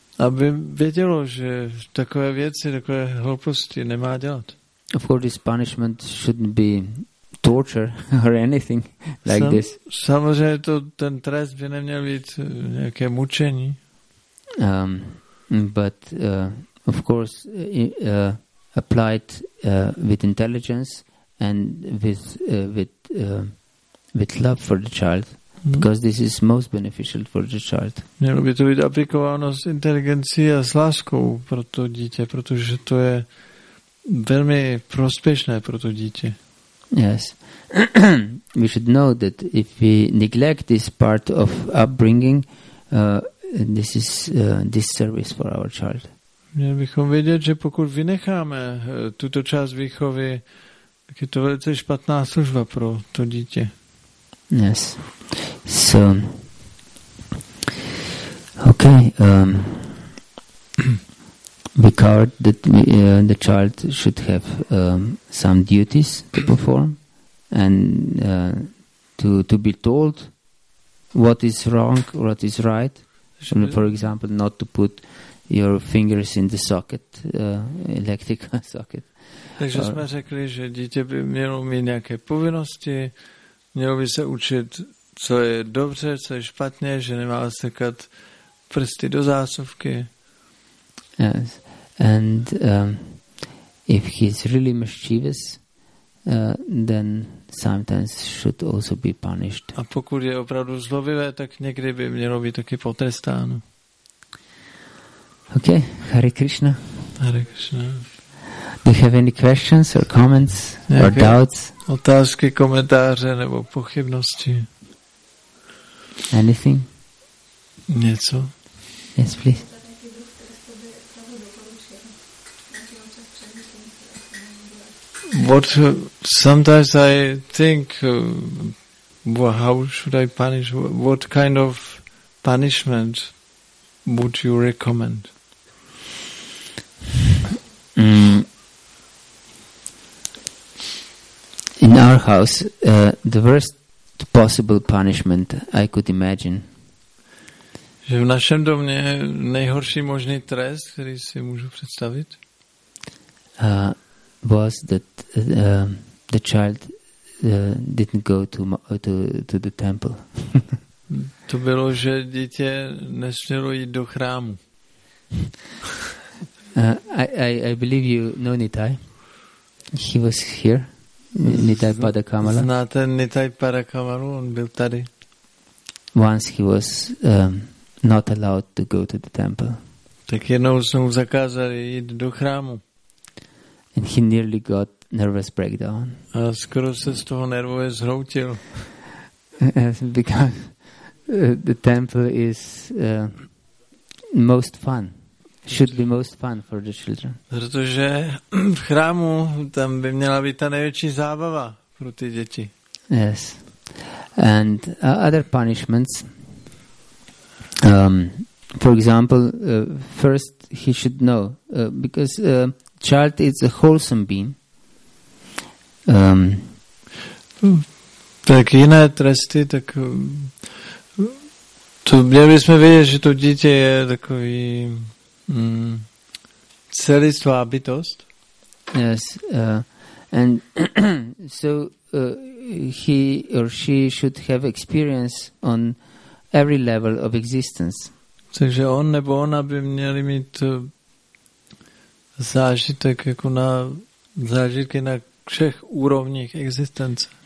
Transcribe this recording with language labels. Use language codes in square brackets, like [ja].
[cs] Aby vědělo, že takové věci, takové hlouposti nemá dělat. [en] Of course, this punishment shouldn't be torture or anything like this. [cs] Samozřejmě to, ten trest by neměl být nějaké mučení. [en] But of course, applied with intelligence and with love for the child, because this is most beneficial for the child. [cs] Mělo by to být aplikováno s inteligencí a s láskou pro to dítě, protože to je velmi prospěšné pro to dítě. [en] Yes. We should know that if we neglect this part of upbringing, this is disservice for our child. [cs] Měli bychom vědět, že pokud vynecháme tuto část výchovy, tak je to velice špatná služba pro to dítě. [en] Yes. So, okay. We covered that the child should have some duties to perform and to be told what is wrong, what is right. For example, not to put your fingers in the socket, electrical socket. [cs] Takže jsme řekli, že dítě by mělo mít nějaké povinnosti, mělo by se učit, co je dobře, co je špatně, že nemá strkat prsty do zásuvky. [en] Yes. And if he's really mischievous, then sometimes should also be punished. [cs] A pokud je opravdu zlovivé, tak někdy by mělo být taky potrestáno. [en] Okay, Hare Krishna. Hare Krishna. Do you have any questions or comments [cs] nějaké [en] or doubts? [cs] Otázky, komentáře nebo pochybnosti? [en] Anything? [cs] Něco? [en] Yes, please. What sometimes I think, how should I punish? What kind of punishment would you recommend? In our house, the worst possible punishment I could imagine. [cs] Že v našem domě nejhorší možný trest, který si můžu představit. [en] Was that the child didn't go to the temple. [cs] To bylo, že dítě nesmělo jít do chrámu. [en] I believe you know Nitai. He was here. Nitai Padakamala. [cs] Znáte Nitai Padakamalu? On byl tady. [en] Once he was not allowed to go to the temple. [cs] Tak jednou jsme mu zakázali jít do chrámu. [en] And he nearly got nervous breakdown. [cs] A skoro se z toho nervově zhroutil. [en] Because the temple is most fun. Should be most fun for the children. [cs] Protože v chrámu tam by měla být ta největší zábava pro ty děti. [en] Yes. And other punishments. For example, first he should know because child is a wholesome being. [cs] Tak jiné tresty, tak to měli bychom vědět, že to dítě je takový celistvá bytost. [en] Yes, And so he or she should have experience on every level of existence. [cs] Takže on nebo ona by měli mít zážitek jako na zážitky na všech úrovních existence.